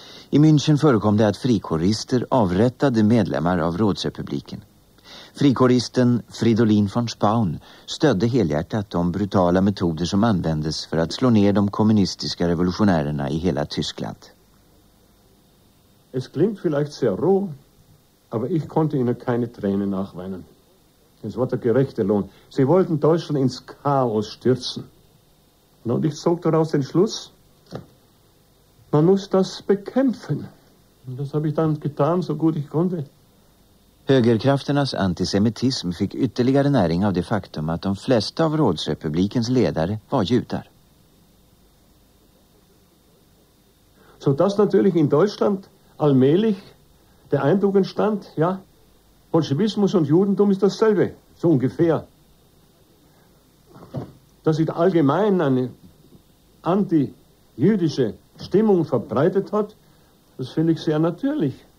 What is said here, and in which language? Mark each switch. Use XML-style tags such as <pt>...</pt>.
<sv>I München förekom det att frikårister avrättade medlemmar av rådsrepubliken. Frikåristen Fridolin von Spaun stödde helhjärtat de brutala metoder som användes för att slå ner de kommunistiska revolutionärerna i hela Tyskland.</sv> <de>Es klingt vielleicht sehr roh, aber ich konnte ihnen keine Tränen nachweinen. Es war der gerechte Lohn. Sie wollten Deutschland ins Chaos stürzen. Und ich zog daraus den Schluss, Man muss das bekämpfen. Das habe ich dann getan, so gut ich konnte.</de> <sv>Högerkrafternas antisemitism fick ytterligare näring av det faktum att de flesta av rådsrepublikens ledare var judar.</sv> <de>Så dass natürlich in Deutschland allmählich der Eindruck entstand, ja, Bolschewismus und Judentum ist dasselbe, so ungefähr. Dass sich allgemein eine anti-jüdische Stimmung verbreitet hat, das finde ich sehr natürlich.</de>